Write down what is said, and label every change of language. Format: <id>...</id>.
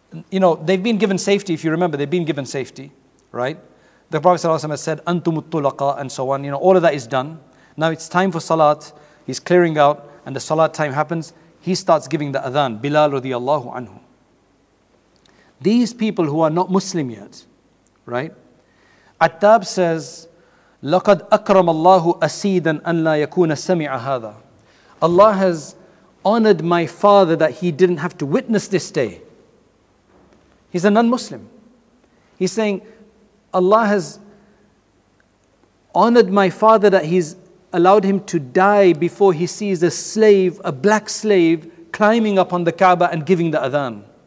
<en>You know, they've been given safety, if you remember, they've been given safety, right? The Prophet ﷺ has said,</en> <ar>Antumut tulaqa,</ar> <en>and so on. You know, all of that is done. Now it's time for salat. He's clearing out, and the salat time happens. He starts giving the adhan, Bilal radiallahu anhu. These people who are not Muslim yet, right? Attab says,</en> <ar>لَقَدْ أَكْرَمَ اللَّهُ أَسِيدًا أَنْ لَا يَكُونَ سَمِعَ هَذَا.</ar> <en>Allah has honored my father that he didn't have to witness this day. He's a non-Muslim. He's saying, Allah has honored my father that he's allowed him to die before he sees a slave, a black slave, climbing up on the Kaaba and giving the adhan.</en>